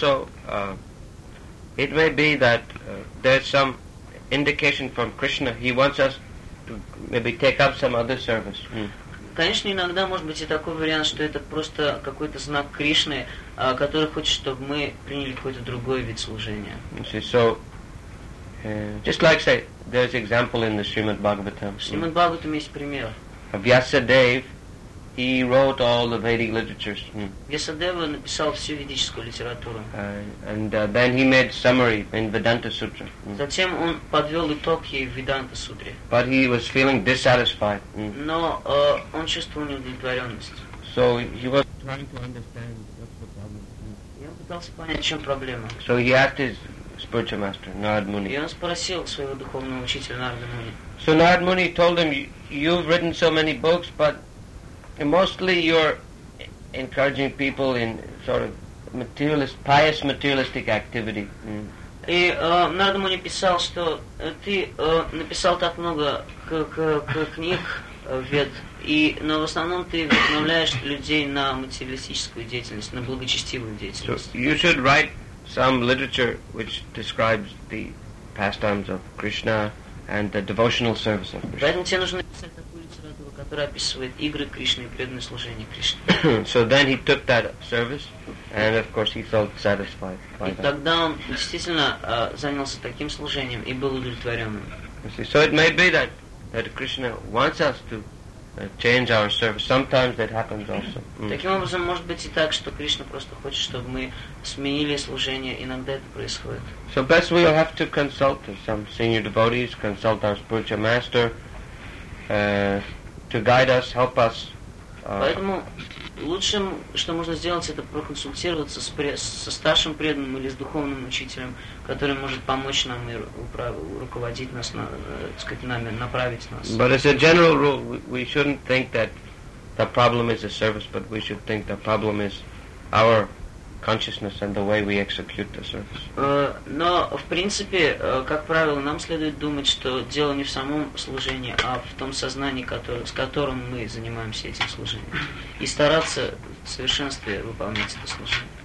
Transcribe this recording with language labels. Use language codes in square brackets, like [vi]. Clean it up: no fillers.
[en] also it may be that there's some indication from Krishna. He wants us to maybe take up some other service. [ru] Конечно, иногда может быть и такой вариант, что это просто какой-то знак Кришны, который хочет, чтобы мы приняли какой-то другой вид служения. [en] So, just like, say, there's example in the Srimad Bhagavatam. [ru] В Srimad Bhagavatam есть пример. [en] Vyasadeva, he wrote all the Vedic literatures. [ru] Vyasadeva написал всю ведическую литературу. [en] And then he made summary in Vedanta Sutra. [ru] Затем он подвёл итоги в Веданта Сутре. [en] But he was feeling dissatisfied. [ru] Но он чувствовал неудовлетворённость. [en] So he was trying to understand what's the problem. [ru] И он пытался понять, в чём проблема. [en] So he asked his spiritual master, Narad Muni. [ru] И он спросил своего духовного учителя Нарада Муни. [en] So Narad Muni told him, you've written so many books, but mostly you're encouraging people in sort of materialist, pious materialistic activity. [ru] И Нарада Муни писал, что ты написал так много книг вед, и но в основном ты вдохновляешь людей на материалистическую деятельность, на благочестивую деятельность. [en] So you should write some literature which describes the pastimes of Krishna and the devotional service of Krishna. [ru] Поэтому тебе нужно писать такую литературу, которая описывает игры Кришны и преданное служение Кришне. [en] So then he took that service, and of course he felt satisfied by [ru] that. И тогда он действительно занялся таким служением и был удовлетворенным. [en] So it may be that Krishna wants us to change our service. Sometimes that happens also. [ru] Таким образом, может быть и так, что Кришна просто хочет, чтобы мы сменили служение. Иногда это происходит. [en] So best we will have to consult some senior devotees, consult our spiritual master to guide us, help us. [ru] Поэтому лучшим, что можно сделать, это проконсультироваться со старшим преданным или с духовным учителем, который может помочь нам и руководить нас, так сказать, нами, направить нас. [en] But as a general rule, we shouldn't think that the problem is a service, but we should think the problem is our consciousness and the way we execute the service. [ru] Но, в принципе, как правило, нам следует думать, что дело не в самом служении, а в том сознании, с которым мы занимаемся этим служением, и стараться в совершенстве выполнять это служение.